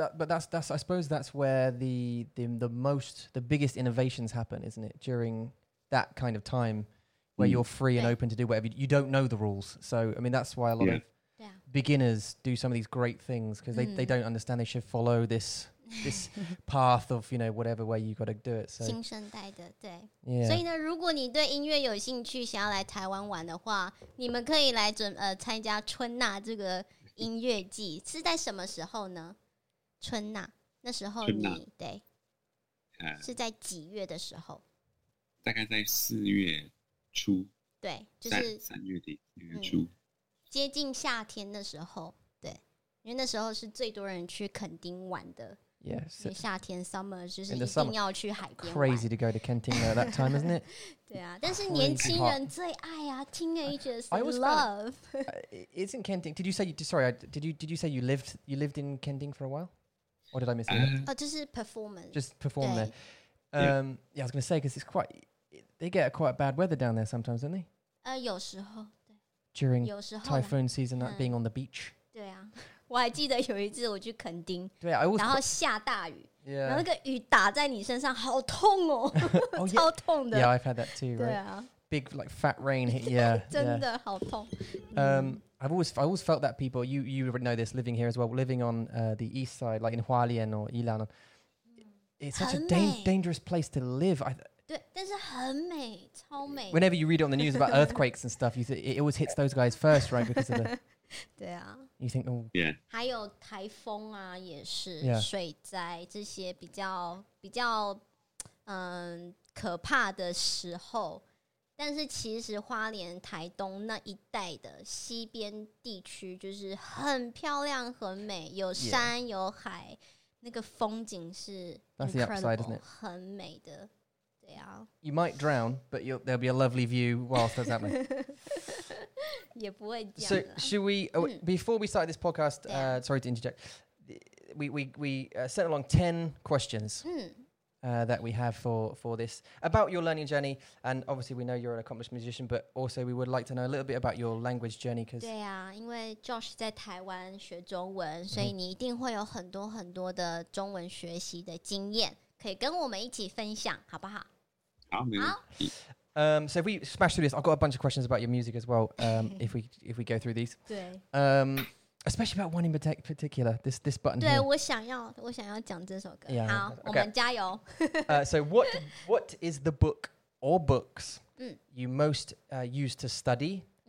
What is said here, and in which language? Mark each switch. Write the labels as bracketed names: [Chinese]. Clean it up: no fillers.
[English] I suppose that's where the biggest innovations happen, isn't it? During that kind of time where you're free and open to do whatever. You don't know the rules. So, I mean, that's why a lot of beginners do some of these great things, because they don't understand they should follow this path of, you know, whatever way you got to do it. So, [Chinese] 新生代的，对，所以呢，如果你对音乐有兴趣，想要来台湾玩的话，你们可以来参加春娜这个音乐季，是在什么时候呢？春娜那时候你对，是在几月的时候？大概在四月初，对，就是三月底四月初，接近夏天的时候，对，因为那时候是最多人去垦丁玩的。 [English] Yes, in the summer, summer, [Chinese] 就是一定要去海边。 [English] Crazy to go to Kenting at that time, isn't it? [Chinese] 对啊，但是年轻人最爱啊 ， [English] teenagers love. Isn't Kenting? Did you say? Did you say you lived in Kenting for a while, or did I miss it? Just perform there. Yeah, I was going to say, because it's quite. They get quite bad weather down there sometimes, don't they? [Chinese] 有时候对。 [English] During typhoon season, like being on the beach. [Chinese] 对啊。我还记得有一次我去垦丁，对啊，然后下大雨， [English] yeah. [Chinese] 然后那个雨打在你身上，好痛哦， [English] oh, [Chinese] 超痛的。 [English] Yeah, I've had that too. Right? [Chinese] 对啊 [English] ，big like fat rain hit. Yeah, [Chinese] 真的好痛。 [English] I've always felt that people, you already know this, living here as well, living on the east side, like in Hualien or Yilan, it's such a dangerous place to live. [Chinese] 对，但是很美，超美。 [English] Whenever you read it on the news about earthquakes and stuff, it always hits those guys first, right? Because of the [Chinese] 对啊 [English] ，You think? Oh, yeah. [Chinese] 还有台风啊，也是水灾这些比较可怕的时候。但是其实花莲、台东那一带的西边地区就是很漂亮、很美，有山有海，那个风景是 [English] That's the upside, isn't it? [Chinese] 很美的。对啊 [English] ，You might drown, but there'll be a lovely view whilst that's happening. [Chinese] 也不会这样。 [English] So should we before we start this podcast? Sorry to interject. We set along 10 questions that we have for this about your learning journey. And obviously, we know you're an accomplished musician, but also we would like to know a little bit about your language journey. Because [Chinese] 对啊，因为 Josh 在台湾学中文，所以你一定会有很多很多的中文学习的经验，可以跟我们一起分享，好不好？好。 [English] So if we smash through this, I've got a bunch of questions about your music as well. if we go through these, especially about one in particular, this button. [Chinese] 对，我想要讲这首歌。 [English] Yeah, [Chinese] 好， okay. 我们加油。 [English] So what is the book or books you most use to study